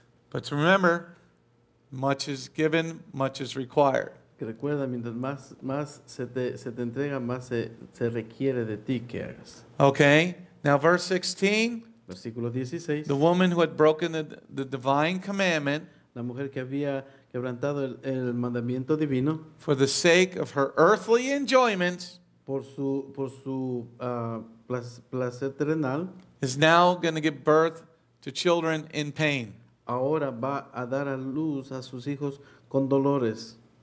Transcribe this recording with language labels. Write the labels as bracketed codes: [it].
[en] But to remember, much is given, much is required. [es] Que recuerda, mientras más se te entrega, más se requiere de ti que hagas. [en] Okay. Now verse 16. [es] Versículo 16. [en] The woman who had broken the divine commandment. [es] La mujer que había quebrantado el mandamiento divino. [en] For the sake of her earthly enjoyments. [es] Por su placer terrenal. [en] Is now going to give birth to children in pain. [es] Ahora va a dar a luz a sus hijos con dolores.